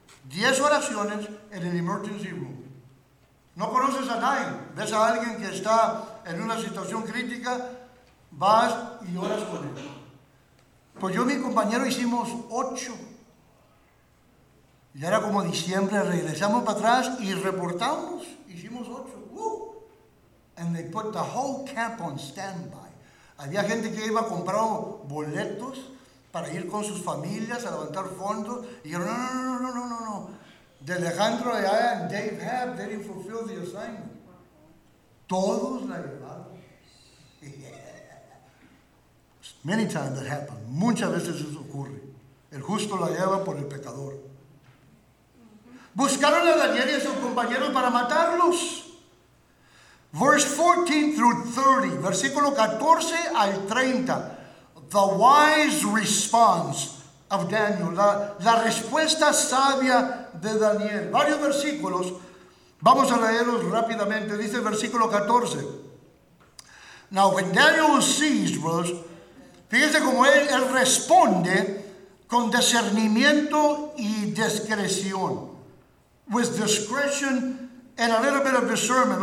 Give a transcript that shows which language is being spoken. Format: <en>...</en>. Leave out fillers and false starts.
<es>10 oraciones en el emergency room. No conoces a nadie. Ves a alguien que está en una situación crítica, vas y oras con él. Pues yo y mi compañero hicimos 8. Ya era como diciembre, regresamos para atrás y reportamos. Hicimos 8. Woo!</es> <en>And they put the whole camp on standby.</en> <es>Había gente que iba a comprar boletos para ir con sus familias a levantar fondos. Y dijeron, no.</es> <en>De Alejandro allá en Dave Hab, they didn't fulfill the assignment.</en> <es>Todos la llevaron. Yeah.</es> <en>Many times that happened.</en> <es>Muchas veces eso ocurre. El justo la lleva por el pecador. Buscaron a Daniel y a sus compañeros para matarlos.</es> <en>Verse 14 through 30.</en> <es>Versículo 14 al 30.</es> <en>The wise response of Daniel.</en> <es>La respuesta sabia de Daniel. Varios versículos. Vamos a leerlos rápidamente. Dice el versículo 14.</es> <en>Now when Daniel was seized, brothers.</en> <es>Fíjense cómo él responde con discernimiento y discreción.</es> <en>With discretion and a little bit of discernment.</en>